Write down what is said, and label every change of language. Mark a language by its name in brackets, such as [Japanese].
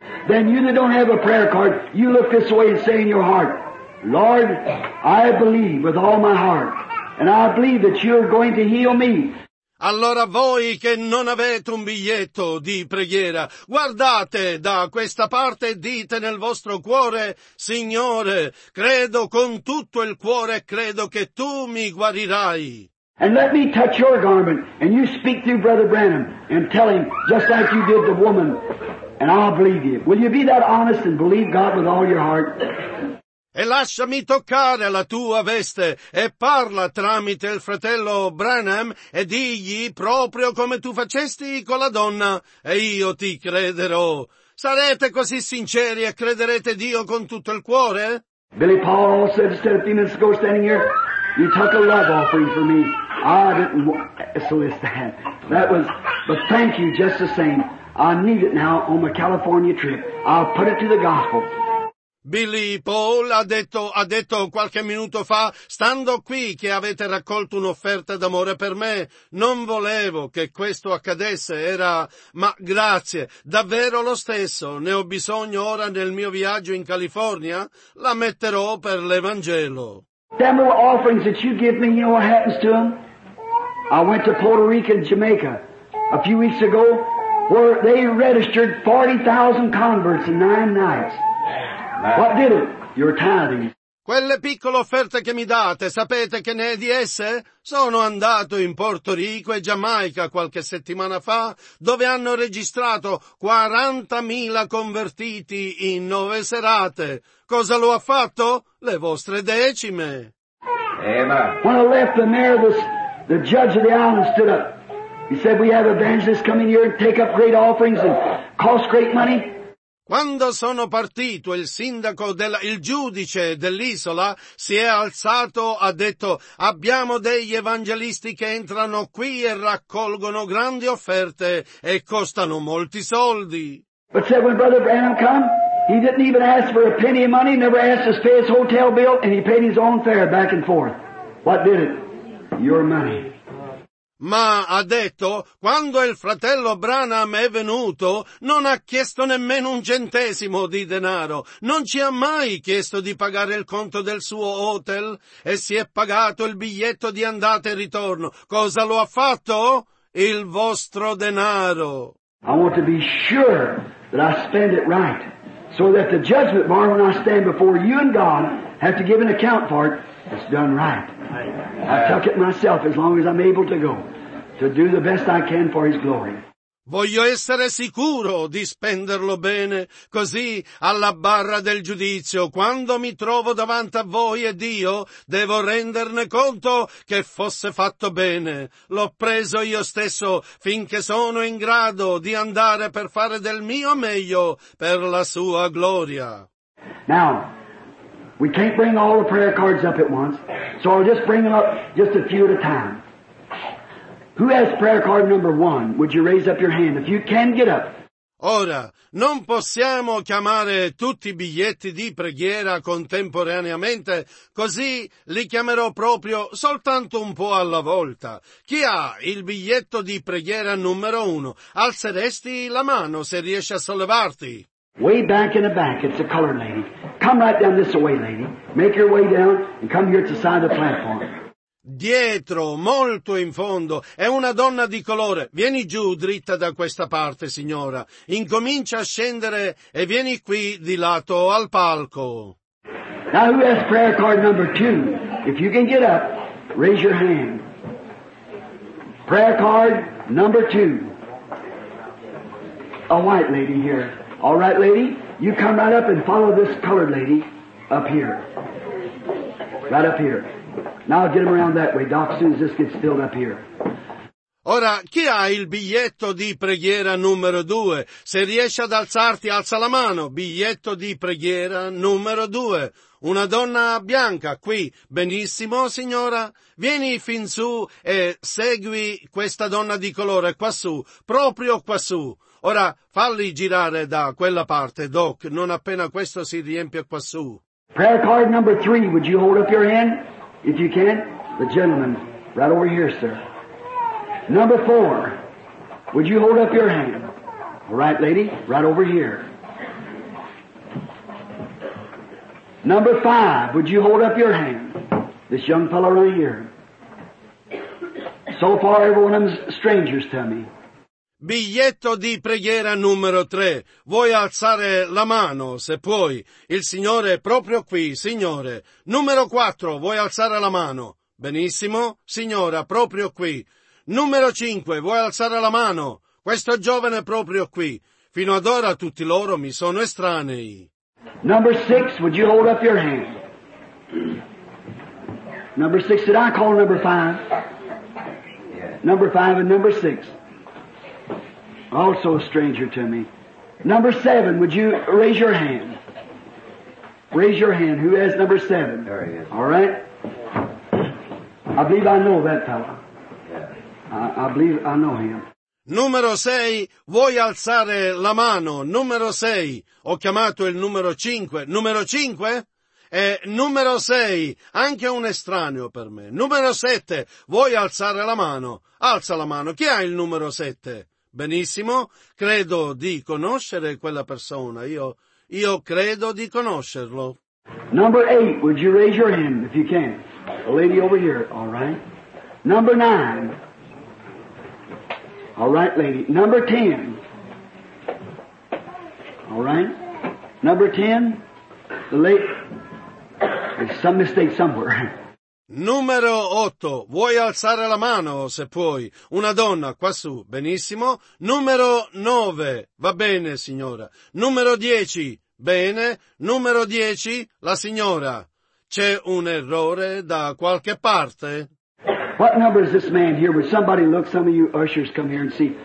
[English] Then you that don't have a prayer card, you look this way and say in your heart, Lord, I believe with all my heart, and I believe that you're going to heal me. [Italian] Allora voi che non avete un biglietto di preghiera, guardate da questa parte e dite nel vostro cuore, Signore, credo con tutto il cuore e credo che tu mi guarirai. [English] And let me touch your garment, and you speak through Brother Branham, and tell him, just like you did the woman, and I'll believe you. Will you be that honest and believe God with all your heart? [Italian] E lasciami toccare la tua veste e parla tramite il fratello Branham e digli proprio come tu facesti con la donna e io ti crederò. Sarete così sinceri e crederete Dio con tutto il cuore? [English] Billy Paul said just a few minutes ago standing here, you took a love offering for me. I didn't solicit that. That was, but thank you just the same. I need it now on my California trip. I'll put it to the gospel. [Italian] Billy Paul ha detto qualche minuto fa, stando qui che avete raccolto un'offerta d'amore per me, non volevo che questo accadesse, era, ma grazie, davvero lo stesso, ne ho bisogno ora nel mio viaggio in California, la metterò per l'Evangelo. [English] Them offerings that you give me, you know what happens to them? I went to Puerto Rico and Jamaica a few weeks ago, where they registered 40,000 converts in 9 nights. What did it? Your tithing. [Italian] Quelle piccole offerte che mi date, sapete che ne è di esse? Sono andato in Porto Rico e Giamaica qualche settimana fa, dove hanno registrato 40,000 convertiti in 9 serate. Cosa lo ha fatto? Le vostre decime. [English] When I left the mayor, the judge of the island stood up. He said, we have evangelists coming here and take up great offerings and cost great money. [Italian] Quando sono partito, il giudice dell'isola si è alzato, ha detto, abbiamo degli evangelisti che entrano qui e raccolgono grandi offerte e costano molti soldi. [English] But said when Brother Branham come, he didn't even ask for a penny of money, never asked to pay his hotel bill, and he paid his own fare back and forth. What did it? Your money. [Italian] Ma ha detto, quando il fratello Branham è venuto, non ha chiesto nemmeno un centesimo di denaro, non ci ha mai chiesto di pagare il conto del suo hotel e si è pagato il biglietto di andata e ritorno. Cosa lo ha fatto? Il vostro denaro. [English] I want to be sure that I spend it right, so that the judgment bar when I stand before you and God have to give an account for it. It's done right. I took it myself as long as I'm able to go, to do the best I can for His glory. [Italian] Voglio essere sicuro di spenderlo bene, così alla barra del giudizio, quando mi trovo davanti a voi e Dio, devo renderne conto che fosse fatto bene. L'ho preso io stesso finché sono in grado di andare per fare del mio meglio per la Sua gloria. [English] Now, we can't bring all the prayer cards up at once, so I'll just bring them up just a few at a time. Who has prayer card number one? Would you raise up your hand if you can get up? [Italian] Ora, non possiamo chiamare tutti i biglietti di preghiera contemporaneamente, così li chiamerò proprio soltanto un po' alla volta. Chi ha il biglietto di preghiera numero uno? Alzeresti la mano se riesci a sollevarti. [English] Way back in the back, it's a colored lady. Come right down this way, lady. Make your way down and come here at the side of the platform. [Italian] Dietro, molto in fondo, è una donna di colore. Vieni giù, dritta da questa parte, signora. Incomincia a scendere e vieni qui, di lato, al palco. [English] Now who has prayer card number two? If you can get up, raise your hand. Prayer card number two. A white lady here. All right, lady, you come right up and follow this colored lady up here. Right up here. Now get him around that way, Doc, as soon as this gets filled up here. [Italian] Ora, chi ha il biglietto di preghiera numero due? Se riesci ad alzarti, alza la mano. Biglietto di preghiera numero due. Una donna bianca, qui. Benissimo, signora. Vieni fin su e segui questa donna di colore, quassù. Proprio quassù. Ora, falli girare da quella parte, Doc, non appena questo si riempie quassù. [English] Prayer card number three, would you hold up your hand, if you can? The gentleman, right over here, sir. Number four, would you hold up your hand? All right, lady, right over here. Number five, would you hold up your hand? This young fellow right here. So far, everyone of them strangers to me. [Italian] Biglietto di preghiera numero tre. Vuoi alzare la mano, se puoi? Il Signore è proprio qui, Signore. Numero quattro, vuoi alzare la mano? Benissimo, Signora, proprio qui. Numero cinque, vuoi alzare la mano? Questo giovane è proprio qui. Fino ad ora tutti loro mi sono estranei. [English] Number six, would you hold up your hand? Number six, did I call number five? Number five and number six. Also a stranger to me. Number seven, would you raise your hand? Raise your hand. Who has number seven? There he is. All right. I believe I know that fellow. Yeah. I believe I know him. [Italian] Numero sei, vuoi alzare la mano? Numero sei, ho chiamato il numero cinque. Numero cinque? E numero sei, anche un estraneo per me. Numero sette, vuoi alzare la mano? Alza la mano. Chi ha il numero sette? Benissimo, credo di conoscere quella persona. Io credo di conoscerlo. [English] Number eight, would you raise your hand if you can? A lady over here, all right. Number nine. All right, lady. Number ten. All right. Number ten. The lady. There's some mistake somewhere. [Italian] Numero otto. Vuoi alzare la mano, se puoi? Una donna, quassù. Benissimo. Numero nove. Va bene, signora. Numero dieci. Bene. Numero dieci. La signora. C'è un errore da qualche parte? [English] What number is this man here? Would somebody look? Some of you ushers come here and see.